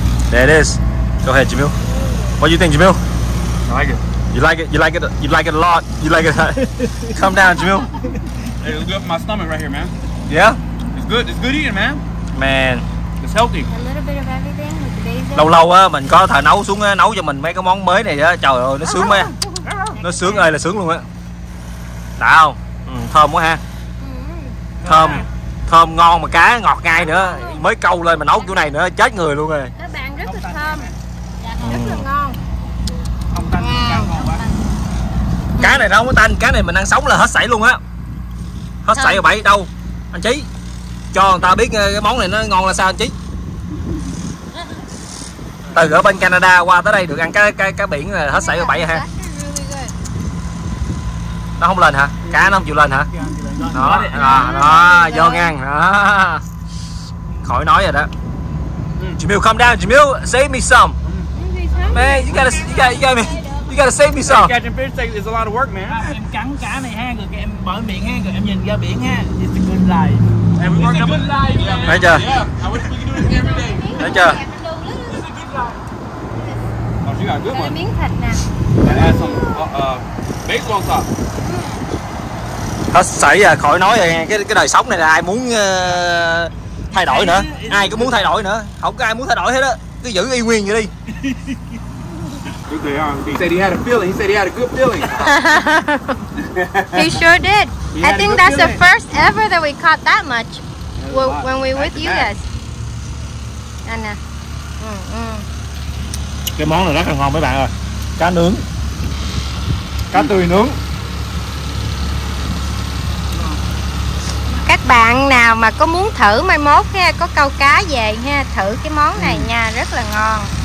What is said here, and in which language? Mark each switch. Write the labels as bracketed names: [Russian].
[English] There it is. Go ahead, Jamil. What do you think, Jamil? I like it. You like it? You like it? You like it a lot. You like it? Come down, Jamil. Hey, it's good for my stomach right here, man. Yeah? It's good. It's good eating, man. Man. It's healthy. A little bit of everything with the basil. [Vietnamese] Lâu lâu á, mình có thợ nấu xuống á, nấu cho mình mấy cái món mới này á. Trời ơi, nó sướng mấy. Nó sướng ơi là sướng luôn á. Đã không? Ừ, thơm quá ha. Thơm. Thơm ngon mà cá ngọt ngay nữa. Mới câu lên mà nấu kiểu này nữa, chết người luôn rồi. Các bạn rất là thơm. Rất là ngon. Không tanh, ngon quá. Cá này đâu có tanh, cá này mình ăn sống là hết sảy luôn á. Hết sảy rồi bậy đâu. Anh Chí, cho người ta biết cái món này nó ngon là sao anh Chí. Từ ở bên Canada qua tới đây được ăn cái biển là hết sảy rồi bậy ha. Nó không lên hả? Cá nó không chịu lên hả? Đó, đó, vô ngang đó. Khỏi nói rồi đó. [English] Jamil, calm down, Jamil, save me some. Man, you gotta save me some. Catching fish is a lot of work, man. [Vietnamese] Em cắn cá này ha, rồi em mở miệng ha, rồi em nhìn ra biển ha. [English] It's a good life. Hey, it's a good life. [Vietnamese] Yeah, thấy chưa? [English] Yeah. I wish we could do this every day. [Vietnamese] Thấy chưa? [English] It's a good life. Oh, she got a good one. [Vietnamese] Miếng thịt nè. [English] Add some basil on top. [Vietnamese] Hết sảy à, khỏi nói rồi. Cái đời sống này là ai muốn thay đổi nữa? Ai cũng muốn thay đổi nữa. Không có ai muốn thay đổi hết á. Cứ giữ y nguyên vậy đi. [English] He said he had a feeling. He said he had a good feeling. He sure did. He I think that's feeling. The first ever that we caught that much when we were with you guys. Anna. [Vietnamese] Cái món này rất là ngon mấy bạn ơi. Cá nướng. Cá tươi nướng. Các bạn nào mà có muốn thử mai mốt nha, có câu cá về nha, thử cái món này nha, rất là ngon.